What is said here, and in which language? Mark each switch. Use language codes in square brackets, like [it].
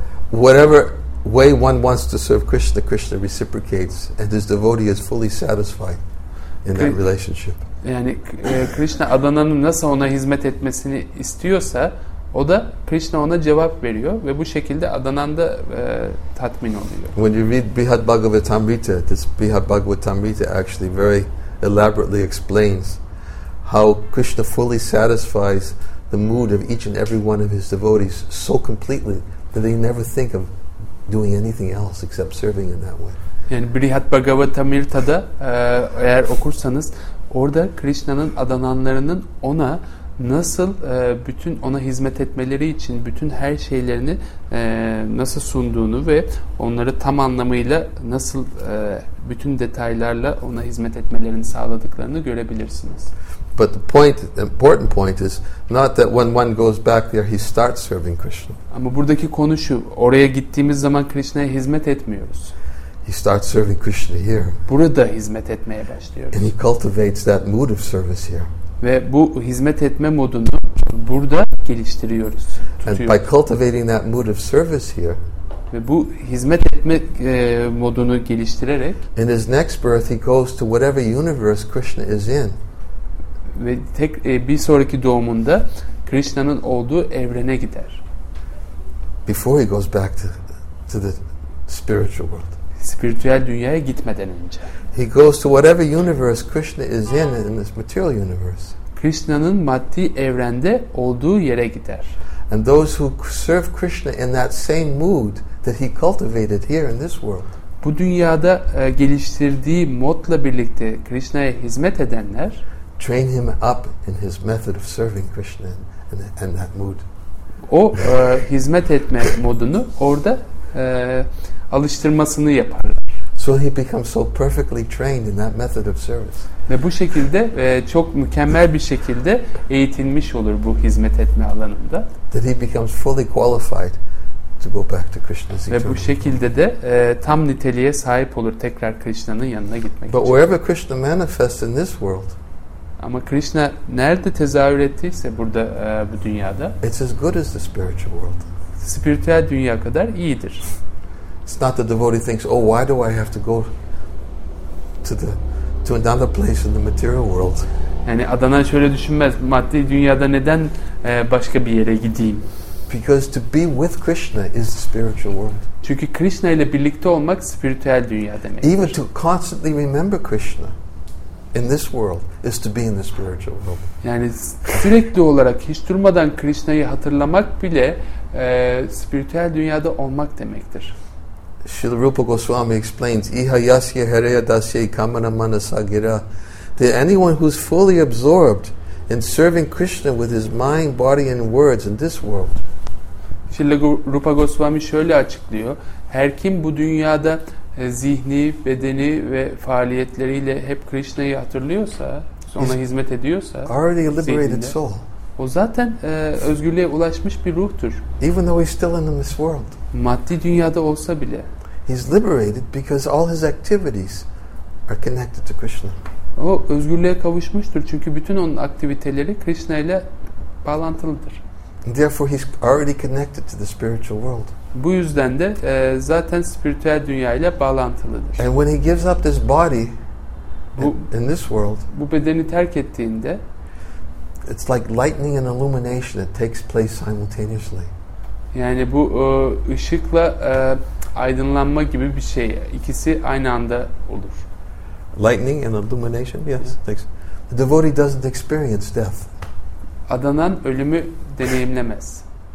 [en] Whatever way one wants to serve Krishna, Krishna reciprocates and his devotee is fully satisfied in that relationship. [tr] Yani Krishna Adana'nın nasıl ona hizmet etmesini istiyorsa, o da Krishna ona cevap veriyor ve bu şekilde Adana'n da tatmin oluyor. [en] When you read Brihad Bhagavatamrita, this Brihad Bhagavatamrita actually very elaborately explains how Krishna fully satisfies the mood of each and every one of his devotees so completely that they never think of doing anything else except serving in that way. [tr] Yani Brihad Bhagavatamrita'da eğer okursanız, orada Krishna'nın adananlarının ona nasıl bütün ona hizmet etmeleri için bütün her şeylerini nasıl sunduğunu ve onları tam anlamıyla nasıl bütün detaylarla ona hizmet etmelerini sağladıklarını görebilirsiniz. [en] But the point, important point is not that when one goes back there he starts serving Krishna. [tr] Ama buradaki konu şu, oraya gittiğimiz zaman Krishna'ya hizmet etmiyoruz. [en] He starts serving Krishna here. [tr] Burada hizmet etmeye başlıyoruz. [en] And he cultivates that mood of service here. [tr] Ve bu hizmet etme modunu burada geliştiriyoruz. [en] And by cultivating that mood of service here. [tr] Ve bu hizmet etme modunu geliştirerek. [en] In his next birth he goes to whatever universe Krishna is in. [tr] Ve tek bir sonraki doğumunda Krishna'nın olduğu evrene gider. [en] Before he goes back to the spiritual world. [tr] Spiritüel dünyaya gitmeden önce. [en] He goes to whatever universe Krishna is in this material universe. [tr] Krishna'nın maddi evrende olduğu yere gider. [en] And those who serve Krishna in that same mood that he cultivated here in this world. [tr] Bu dünyada geliştirdiği modla birlikte Krishna'ya hizmet edenler [en] train him up in his method of serving Krishna in that mood. [tr] O hizmet etme modunu orada alıştırmasını yapar. [en] So he becomes so perfectly trained in that method of service. [tr] Ve bu şekilde çok mükemmel bir şekilde eğitilmiş olur bu hizmet etme alanında. [en] That he becomes fully qualified to go back to Krishna's. [tr] Ve bu şekilde de tam niteliğe sahip olur tekrar Krishna'nın yanına gitmek için. [en] But wherever Krishna manifests in this world. [tr] Ama Krishna nerede tezahür ettiyse burada bu dünyada. [en] It's as good as the spiritual world. [tr] Spiritüel dünya kadar iyidir. [en] It's not the devotee thinks, oh, why do I have to go to another place in the material world? [tr] Yani Adana şöyle düşünmez, maddi dünyada neden başka bir yere gideyim? [en] Because to be with Krishna is the spiritual world. [tr] Çünkü Krishna ile birlikte olmak spiritüel dünya demek. [en] Even to constantly remember Krishna in this world is to be in the spiritual world. [tr] Yani sürekli olarak hiç durmadan Krishna'yı hatırlamak bile spiritüel dünyada olmak demektir. [en] Srila Rupa Goswami explains, [sa] Iha yasya hareya dasya kamana manasa gira. [en] That anyone who's fully absorbed in serving Krishna with his mind, body and words in this world. [tr] Srila Rupa Goswami şöyle açıklıyor. Her kim bu dünyada zihni, bedeni ve faaliyetleriyle hep Krishna'yı hatırlıyorsa, ona hizmet ediyorsa, [en] already a liberated soul. [tr] O zaten özgürlüğe ulaşmış bir ruhtur. [en] Even though he's still in this world. [tr] Maddi dünyada olsa bile. [en] He's liberated because all his activities are connected to Krishna. [tr] O özgürlüğe kavuşmuştur çünkü bütün onun aktiviteleri Krishna ile bağlantılıdır. [en] Therefore he's already connected to the spiritual world. [tr] Bu yüzden de zaten spiritüel dünya ile bağlantılıdır. [en] And when he gives up this body in this world. [tr] Bu bedeni terk ettiğinde [en] it's like lightning and illumination that takes place simultaneously. [tr] Yani bu ışıkla aydınlanma gibi bir şey. İkisi aynı anda olur. [en] Lightning and illumination, yes. Yeah. Thanks. The devotee doesn't experience death. [tr] Adanan ölümü deneyimlemez.